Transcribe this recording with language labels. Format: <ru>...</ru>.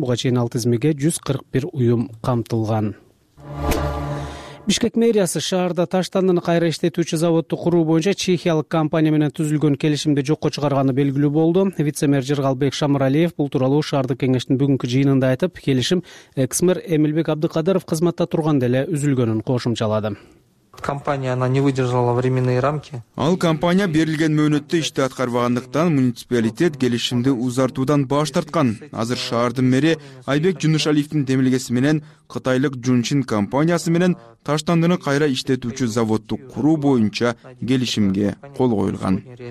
<ky>Буга чейин ал тизмеге 141 уюм камтылган. Бишкек мэриясы шаарда таштандыны кайра иштетүүчү заводду куруу боюнча чехиялык компания менен түзүлгөн келишимди жокко чыгарганы белгилүү болду. Вице-мэр Жыргалбек Шамыралиев бул тууралуу шаардык кеңештин бүгүнкү жыйынында айтып, келишим экс-мэр Эмилбек Абдыкадыров кызматта турганда эле үзүлгөнүн кошумчалады.</ky> <ru>Компания она не выдержала временные рамки.</ru> <ky>Ал компания берилген мөөнөттө ишти аткарбагандыктан муниципалитет келишимди узартуудан баш тарткан. Азыр шаардын мэри Айбек Жунушалиевдин демилгеси менен кытайлык Жунчин компаниясы менен таштандыны кайра иштетүүчү заводду куруу боюнча келишимге кол коюлган.</ky>